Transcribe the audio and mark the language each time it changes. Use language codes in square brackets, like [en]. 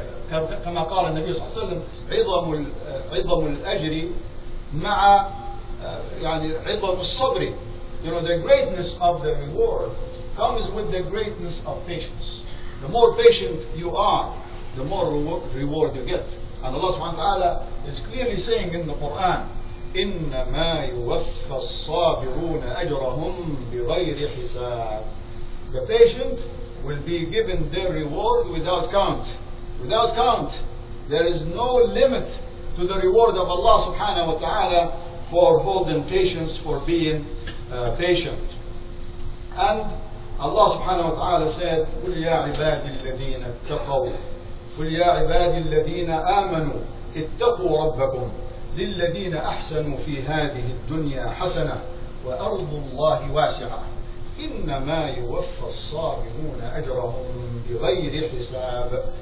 [ar] كما قال النبي صلى الله عليه وسلم عظم الأجر مع يعني عظم الصبر. [en] You know, the greatness of the reward comes with the greatness of patience. The more patient you are, the more reward you get. And Allah subhanahu wa ta'ala is clearly saying in the Quran, [ar] إِنَّمَا يُوَفَّى الصَّابِرُونَ أَجْرَهُمْ بِغَيْرِ حِسَابٍ. [en] The patient will be given their reward without count. Without count. There is no limit to the reward of Allah subhanahu wa ta'ala for holding patience, for being patient. And Allah subhanahu wa ta'ala said, [ar] قُلْ يَا عِبَادِ الَّذِينَ اتَّقَوْا قُلْ يَا عِبَادِ الَّذِينَ آمَنُوا اتَّقُوا رَبَّكُمْ لِلَّذِينَ أَحْسَنُوا فِي هَذِهِ الدُّنْيَا حَسَنَةً وَأَرْضُ اللَّهِ وَاسِعَةً إِنَّمَا يُوَفَّى الصَّابِرُونَ أَجْرَهُمْ بِغَيْرِ حِسَابٍ.